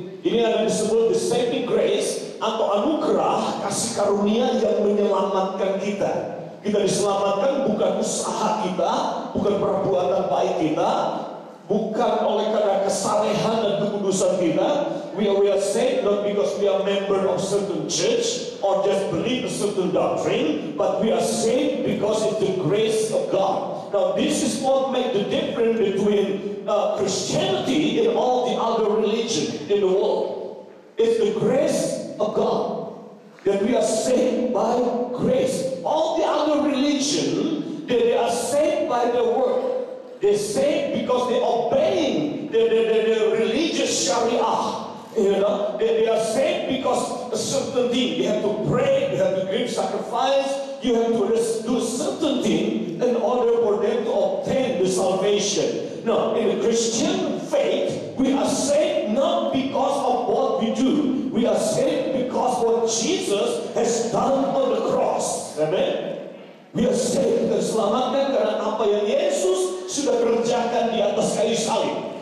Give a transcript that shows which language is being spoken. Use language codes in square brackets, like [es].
[id] Ini ada disebut [en] the saving grace [id] atau anugerah, kasih karunia yang menyelamatkan kita. Kita diselamatkan bukan usaha kita, bukan perbuatan baik kita, bukan oleh karena kesalehan dan kekudusan kita. [en] We are saved not because we are member of certain church or just believe a certain doctrine, but we are saved because it's the grace of God. Now this is what makes the difference between Christianity and all the other religion in the world. It's the grace of God that we are saved by grace. All the other religion, they are saved by their work. They say because they obeying the religious sharia, you know. They are saved because a certain thing. You have to pray, you have to give sacrifice, you have to do certain thing in order for them to obtain the salvation. Now, in the Christian faith, we are saved not because of what we do. We are saved because what Jesus has done on the cross. Amen. We are saved and [id] selamatkan karena apa yang Yesus sudah kerjakan di atas kayu salib.